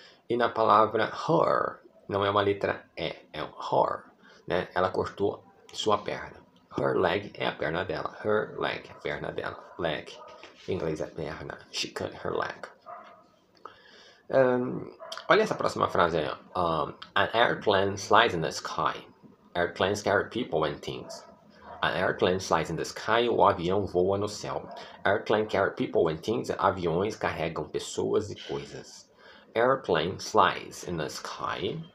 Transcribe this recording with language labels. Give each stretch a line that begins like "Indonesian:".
Portuguese: E na palavra her, não é uma letra E, é um her, né? Ela cortou sua perna.
English: Her leg
Portuguese: é a perna dela.
English: Her leg,
Portuguese: a perna dela. Leg, em inglês é perna.
English: She cut her leg.
Portuguese: Olha essa próxima frase aí, ó.
English: An airplane flies in the sky. Airplanes carry people and things. An airplane flies in the sky.
Portuguese: O avião voa no céu.
English: Airplane carry people and things.
Portuguese: Aviões carregam pessoas e coisas.
English: Airplane flies in the sky.